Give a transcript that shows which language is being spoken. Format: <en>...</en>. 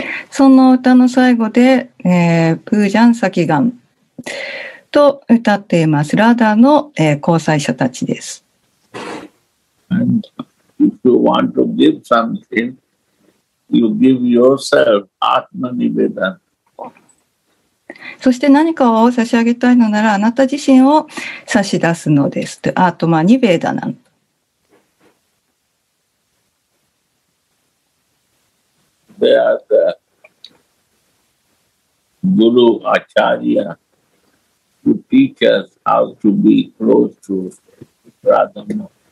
<ja>その歌の最後で、プージャンサキガンと歌っています。ラダの、交際者たちです。</ja> <en>And if you want to give something, you give yourself Atmanivedan.</en> <ja>そして何かを差し上げたいのならあなた自身を差し出すのです。アートマニベーダナン。</ja> <en>They are the Guru Acharya who teach us how to be close to Radha Mohan.</en>